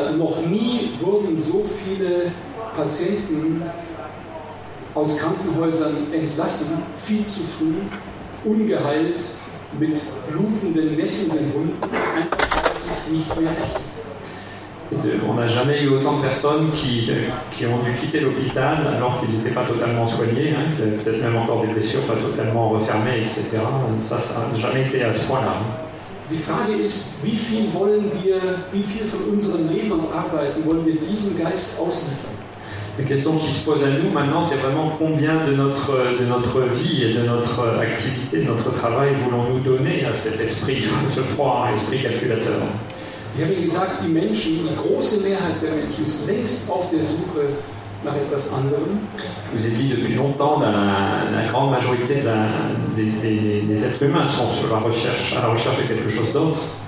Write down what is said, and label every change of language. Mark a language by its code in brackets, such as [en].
[de] Noch nie wurden so viele Patienten aus Krankenhäusern entlassen, viel zu früh, ungeheilt, mit blutenden, messenden Wunden, einfach weil es sich nicht mehr rechnet. [fr] On n'a jamais eu autant de personnes qui ont dû quitter l'hôpital alors qu'ils n'étaient pas totalement soignés, hein, qu'ils avaient peut-être même encore des blessures pas totalement refermées, etc. Ça n'a jamais été à ce point-là. Hein. [de] Die Frage ist, wie viel wollen wir, wie viel von unserem Leben und Arbeiten wollen wir diesem Geist ausliefern? [fr] La question qui se pose à nous maintenant, c'est vraiment combien de notre vie et de notre activité, de notre travail voulons-nous donner à cet esprit, ce froid esprit calculateur? [de] Wir haben gesagt, die Menschen, die große Mehrheit der Menschen ist längst auf der Suche nach etwas anderem. [fr] Vous avez dit depuis longtemps, la grande majorité des êtres humains sont sur à la recherche de quelque chose d'autre.